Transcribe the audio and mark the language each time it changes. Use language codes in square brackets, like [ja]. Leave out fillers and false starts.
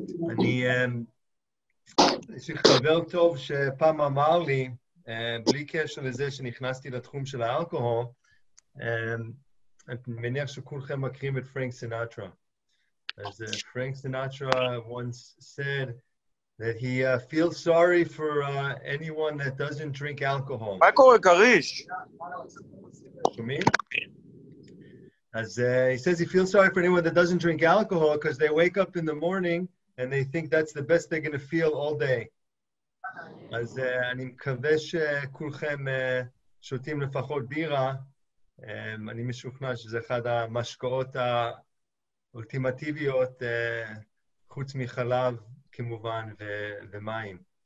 [he] אני, יש לי חבר טוב שפעם אמר לי, בלי קשר לזה שנכנסתי לתחום של האלכוהול, אני מניח שכולכם מכירים את פרנק סינטרה. [en] As Frank Sinatra once said, that he feels sorry for anyone that doesn't drink alcohol. [he] מה קורה, קריש? [en] He says he feels sorry for anyone that doesn't drink alcohol because they wake up in the morning and they think that's the best they're going to feel all day. [he] אז אני מקווה שכולכם שותים לפחות בירה. אני משוכנע שזה אחד המשקאות אולטימטיביות, חוץ מחלב, כמובן, ומים.